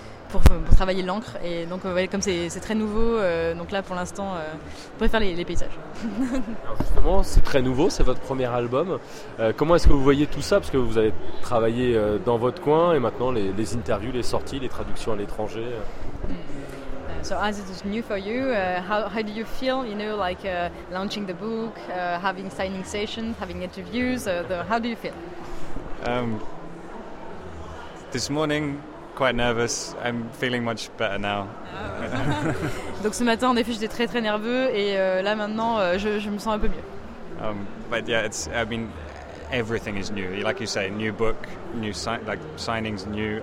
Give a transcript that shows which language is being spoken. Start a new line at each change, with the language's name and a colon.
French: Pour travailler l'encre, et donc comme c'est très nouveau, donc là pour l'instant je préfère les paysages. Alors justement, c'est très nouveau, c'est votre premier album, comment est-ce que vous voyez tout ça, parce que vous avez travaillé dans votre coin et maintenant les interviews, les sorties, les traductions à l'étranger.
English: So as it is new for you, how do you feel, you know, like launching the book, having signing sessions, having interviews, how do you feel? This morning, quite nervous. I'm feeling much better now.
French: Donc ce matin, en effet, j'étais très très nerveux, et là maintenant, je me sens un peu mieux.
English: But yeah, everything is new. Like you say, new book, new signings, new.